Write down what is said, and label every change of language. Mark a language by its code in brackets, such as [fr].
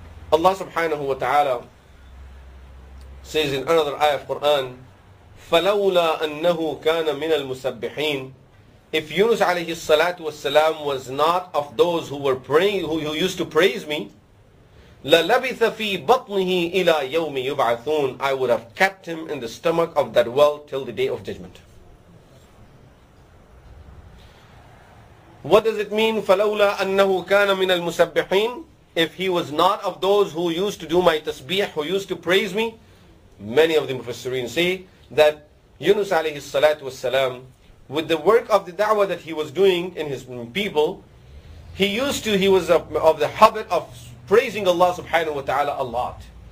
[en] Allah subhanahu wa ta'ala says in another ayah of Quran, [ar] فَلَوْلَا أَنَّهُ كَانَ مِنَ الْمُسَبِّحِينَ. [en] If Yunus alayhi salatu wa salam was not of those who were praying, who used to praise me, [ar] لَلَبِثَ فِي بَطْنِهِ إِلَىٰ يَوْمِ يُبْعَثُونَ. [en] I would have kept him in the stomach of that well till the day of judgment. What does it mean, [ar] فَلَوْلَا أَنَّهُ كَانَ مِنَ الْمُسَبِّحِينَ? [en] If he was not of those who used to do my tasbih, who used to praise me, many of the mufassirin say that Yunus alayhi salatu wasalam, with the work of the da'wah that he was doing in his people, he was of the habit of praising Allah subhanahu wa ta'ala a lot.